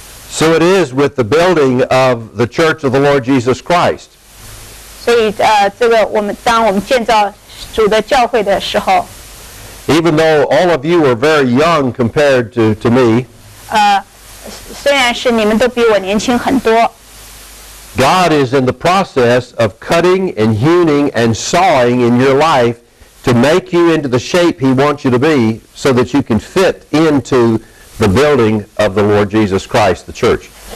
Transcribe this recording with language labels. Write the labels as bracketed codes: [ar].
[en] So it is with the building of the church of the Lord Jesus Christ. [zh] 所以这个我们当我们建造主的教会的时候, [en] even though all of you are very young compared to me, [zh] 虽然是你们都比我年轻很多, [en] God is in the process of cutting and hewing and sawing in your life to make you into the shape he wants you to be so that you can fit into the building of the Lord Jesus Christ, the church.